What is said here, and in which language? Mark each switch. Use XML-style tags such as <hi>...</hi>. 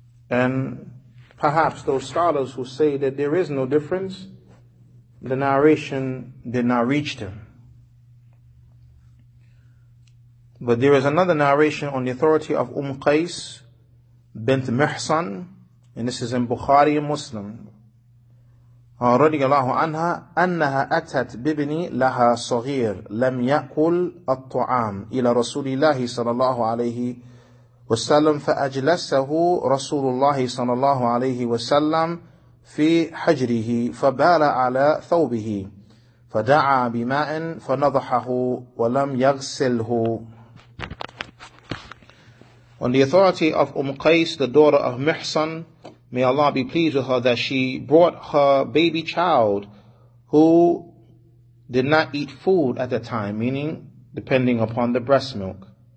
<en>And perhaps those scholars who say that there is no difference, the narration did not reach them. But there is another narration on the authority of Qais bint Mihsan, and this is in Bukhari and Muslim.</en> <ar>رضي الله عنها أنها أتت بابني لها صغير لم يأكل الطعام إلى رسول الله صلى الله عليه وسلم فأجلسه رسول الله صلى الله عليه وسلم في حجره فبال على ثوبه فدعا بماء فنضحه ولم يغسله.</ar> <en>On the authority of Qais, the daughter of Mihsan, may Allah be pleased with her, that she brought her baby child who did not eat food at the time, meaning depending upon the breast milk.</en>